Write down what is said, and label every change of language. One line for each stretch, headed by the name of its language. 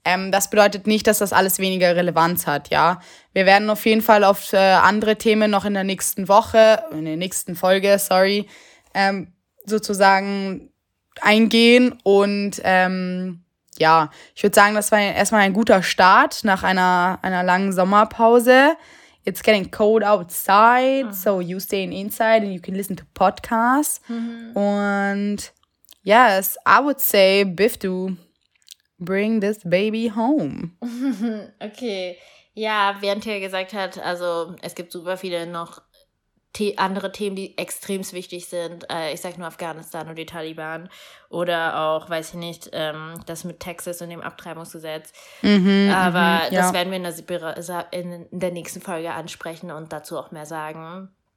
German: Das bedeutet nicht, dass das alles weniger Relevanz hat, ja. Wir werden auf jeden Fall auf andere Themen noch in der nächsten Woche, in der nächsten Folge, sorry, sozusagen eingehen. Und ja, ich würde sagen, das war erstmal ein guter Start nach einer langen Sommerpause.
English: It's getting cold outside, so you stay inside and you can listen to podcasts. Mhm. Und yes, I would say, Biftu, bring this baby home.
German: Okay, ja, während er gesagt hat, also es gibt super viele noch andere Themen, die extrem wichtig sind. Ich sag nur Afghanistan und die Taliban. Oder auch, weiß ich nicht, das mit Texas und dem Abtreibungsgesetz. Mhm, aber das werden wir in der nächsten Folge ansprechen und dazu auch mehr sagen.